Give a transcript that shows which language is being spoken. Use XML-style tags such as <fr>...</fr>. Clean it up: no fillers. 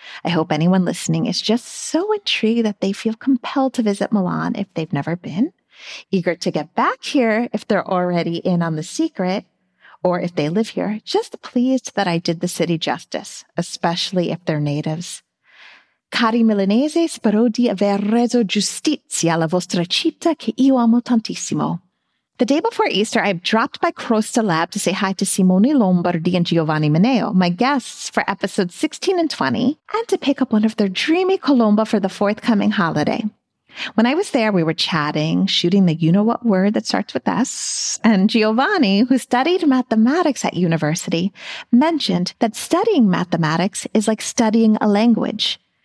<en>I hope anyone listening is just so intrigued that they feel compelled to visit Milan if they've never been, eager to get back here if they're already in on the secret, or if they live here, just pleased that I did the city justice, especially if they're natives.</en> <it>Cari milanese, spero di aver reso giustizia alla vostra città che io amo tantissimo.</it> <en>The day before Easter, I dropped by Crosta Lab to say hi to Simone Lombardi and Giovanni Maneo, my guests for episodes 16 and 20, and to pick up one of their dreamy colomba for the forthcoming holiday. When I was there, we were chatting, shooting the you-know-what word that starts with S, and Giovanni, who studied mathematics at university, mentioned that studying mathematics is like studying a language.</en>